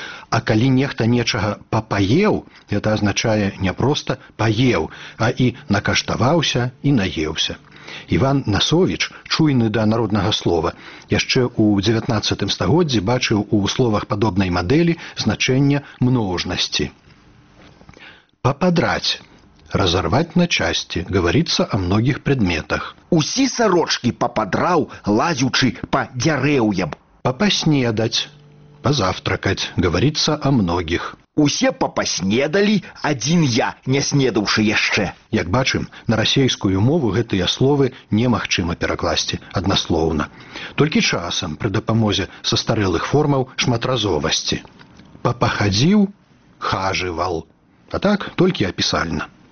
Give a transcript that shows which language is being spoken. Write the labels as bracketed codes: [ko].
[be] А калі нехта нечага папаеў, гэта азначае не проста паеў, а і накаштаваўся і наеўся. Іван Насовіч, чуйны да народнага слова, яшчэ ў 19 стагоддзі бачыў у словах падобнай мадэлі значэнне множнасці. [ru] Пападраць, разорвать на части, говорится о многих предметах. [be] Усі сорочки пападрал, лазючи по дзярэўям. [ru] Попаснедать, позавтракать, говорится о многих. [be] Усе попаснедали, один я, не снедаўшы яшчэ. Як бачым, на расейскую мову гэтыя словы немагчыма перакласці аднаслоўна. Толькі часам пры дапамозе састарэлых формаў шматразовасці. Папахадзіў, хажывал. А так, толькі апісальна.